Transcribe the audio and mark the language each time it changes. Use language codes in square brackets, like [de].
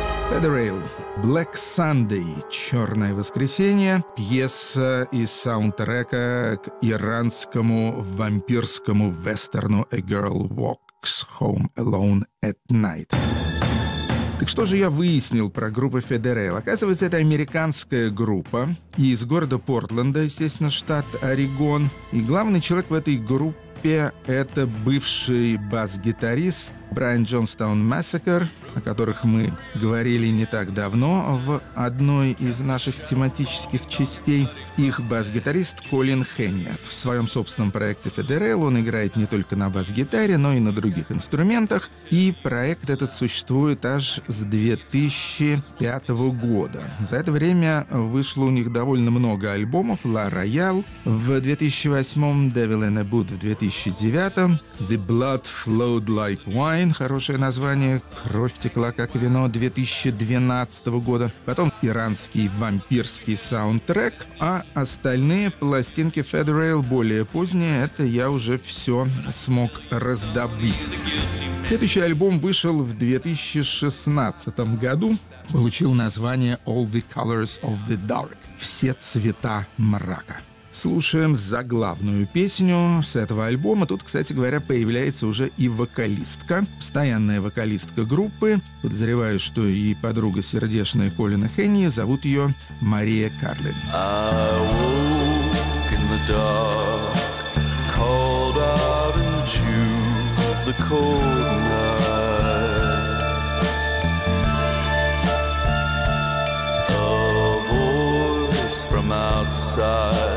[ru] Federail, Black Sunday, «Черное воскресенье», пьеса из саундтрека к иранскому вампирскому вестерну «A Girl Walks Home Alone at Night». Так что же я выяснил про группу Federail? Оказывается, это американская группа из города Портленда, естественно, штат Орегон. И главный человек в этой группе — это бывший бас-гитарист Brian Johnstone Massacre, о которых мы говорили не так давно в одной из наших тематических частей. Их бас-гитарист Колин Хенни. В своем собственном проекте Federail он играет не только на бас-гитаре, но и на других инструментах. И проект этот существует аж с 2005 года. За это время вышло у них довольно много альбомов. La Royale в 2008, Devil in a Boot в 2009, The Blood Flowed Like Wine, хорошее название, Кровь текла как вино, 2012 года. Потом иранский вампирский саундтрек, а остальные пластинки Federail более поздние, это я уже все смог раздобыть. Следующий альбом вышел в 2016 году, получил название All the Colors of the Dark — «Все цвета мрака». Слушаем заглавную песню с этого альбома. Тут, кстати говоря, появляется уже и вокалистка, постоянная вокалистка группы. Подозреваю, что и подруга сердечная Колина Хенни, зовут ее Мария Карлин. [en] I woke in the dark, called out into the cold night. A voice from outside